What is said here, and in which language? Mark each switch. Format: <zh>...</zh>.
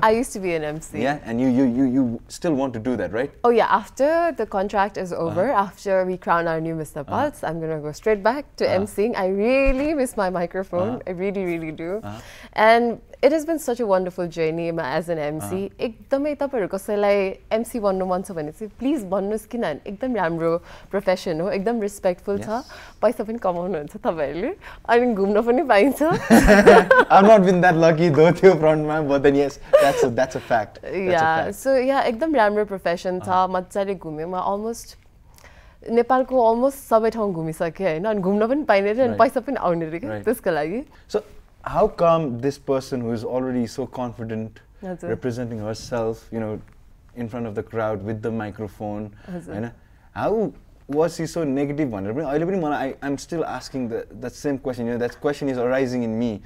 <en>I used to be an MC. Yeah, and you still want to do that, right? Oh yeah, after the contract is over, after we crown our new Miss Nepal, I'm going to go straight back to MCing. I really miss my microphone. I really, really do. And it has been such a wonderful journey as an MC.</en> <ne>एकदमै तपाईहरु कसैलाई MC बन्नु मन छ भने चाहिँ please बन्नुस् किन एकदम राम्रो प्रोफेशन हो एकदम रिस्पेक्टफुल छ पैसा पनि कमाउनु हुन्छ तपाईहरुले अनि घुम्न पनि पाइन्छ</ne> <en>I'm not been that lucky though to front man but then yes that's a fact yeah so yeah</en> <ne>एकदम राम्रो प्रोफेशन छ मजाले घुमे म almost नेपालको अलमोस्ट सबै ठाउँ घुमिसके हैन अनि घुम्न पनि पाइने रे अनि पैसा पनि आउने रे के त्यसको लागि</ne> <en>So How come this person who is already so confident representing herself, you know, in front of the crowd with the microphone, you know, how was he so negative? I'm still asking that same question. You know, that question is arising in me.</en>